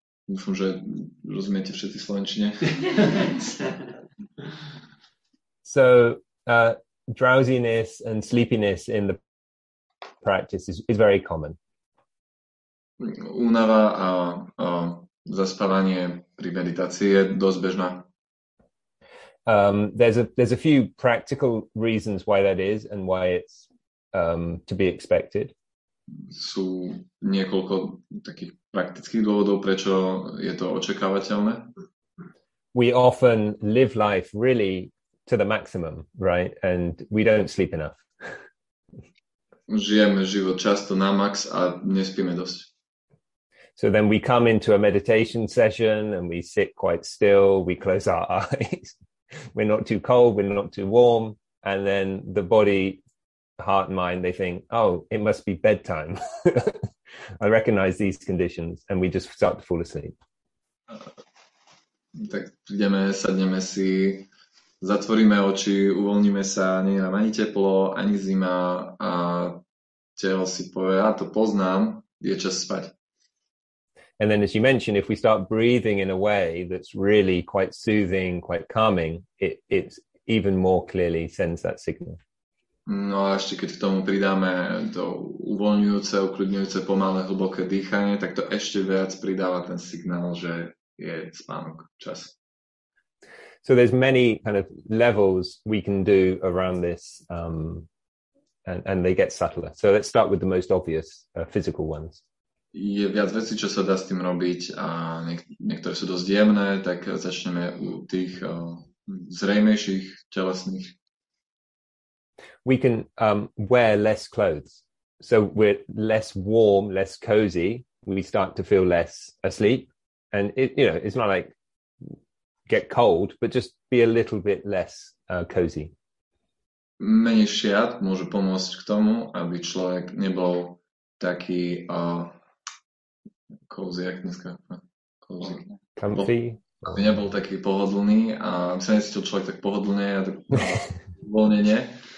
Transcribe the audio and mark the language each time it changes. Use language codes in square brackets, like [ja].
[sk] Dúfam, že rozumiete všetci slovenčine. [en] So, drowsiness and sleepiness in the practice is very common. [sk] Únava a zaspávanie pri meditácii je dosť bežná. [en] There's a few practical reasons why that is and why it's to be expected. [cs] Jsou několiko takých praktických důvodů, proč je to očekávatelné. [en] We often live life really to the maximum, right? And we don't sleep enough. [sk] Žijeme život často na max a nespíme dost. [en] So then we come into a meditation session and we sit quite still, we close our eyes. We're not too cold, we're not too warm. And then the body, heart and mind, they think, oh, it must be bedtime. I recognize these conditions and we just start to fall asleep. [sk] Tak prídeme, sadneme si, zatvoríme oči, uvoľníme sa, nie je nám ani teplo, ani zima a telo si povie, ja to poznám, je čas spať. [en] And then as you mentioned, if we start breathing in a way that's really quite soothing, quite calming, it's even more clearly sends that signal. [sk] No a ešte keď k tomu pridáme to uvoľňujúce, ukľudňujúce, pomalé, hlboké dýchanie, tak to ešte viac pridáva ten signál, že je spánok, čas. [en] So there's many kind of levels we can do around this and they get subtler. So let's start with the most obvious physical ones. [sk] Je viac vecí, čo sa dá s tým robiť a niektoré sú dosť jemné, tak začneme u tých zrejmejších telesných. [en] We can wear less clothes. So we're less warm, less cozy. We start to feel less asleep. And it, you know, it's not like get cold, but just be a little bit less cozy. [sk] Menej šiat môže pomôcť k tomu, aby človek nebol taký cozy, jak dneska. [en] Cozy. Comfy. [sk] Aby nebol taký pohodlný a aby sa necítil človek tak pohodlne a tak uvoľnenie.